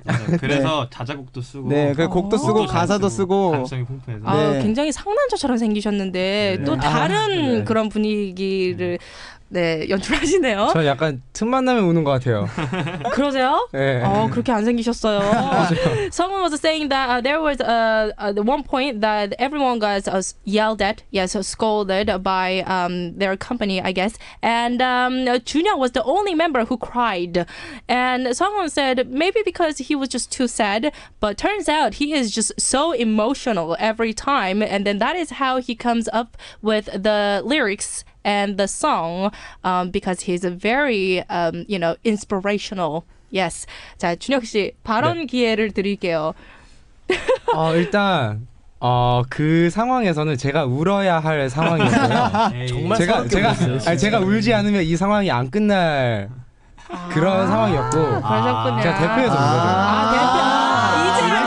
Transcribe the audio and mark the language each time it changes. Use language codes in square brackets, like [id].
[ko] 그래서 네. 자작곡도 쓰고 네 그 곡도 쓰고 가사도 쓰고 감성이 풍부해서 네. 아, 굉장히 상남자처럼 생기셨는데 네. 또 다른 아, 네. 그런 분위기를 네. 네 연출하시네요. 저 약간 틈만 나면 우는 것 같아요. 그러세요? 네. 어 그렇게 안 생기셨어요. [en] Someone was saying that there was one point that everyone got yelled at, yes, scolded by their company, I guess. And Junhyuk was the only member who cried. And someone said maybe because he was just too sad. But turns out he is just so emotional every time, and then that is how he comes up with the lyrics. And the song, because he's a very, you know, inspirational. Yes. [ko] 자, 준혁 씨, 발언 네. 기회를 드릴게요. 일단 그 상황에서는 제가 울어야 할 상황이었어요. 정말 제가 아니, 제가 울지 않으면 이 상황이 안 끝날 그런 상황이었고. 그러셨군요. 제가 대표해서 울거든요.